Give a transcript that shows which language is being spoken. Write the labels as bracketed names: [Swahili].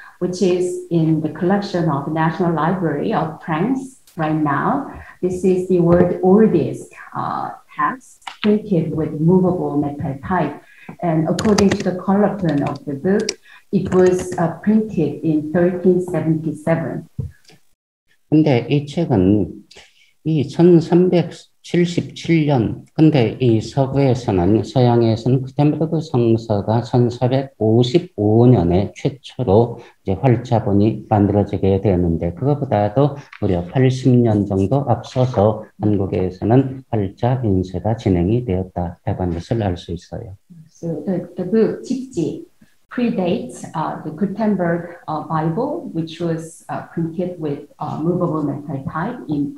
[English] Which is in the collection of the National Library of France right now. This is the world's oldest text printed with movable metal type. And according to the colophon of the book, it was printed in 1377. [Korean] 근데 이 책은 이 1377년, 근데 이 서구에서는, 서양에서는 구텐베르크 성서가 1455년에 최초로 이제 활자본이 만들어지게 되었는데, 그것보다도 무려 80년 정도 앞서서 한국에서는 활자 인쇄가 진행이 되었다. 라는 것을 알 수 있어요. [English] So the book, 집지, predates the Gutenberg Bible, which was printed with a movable metal type in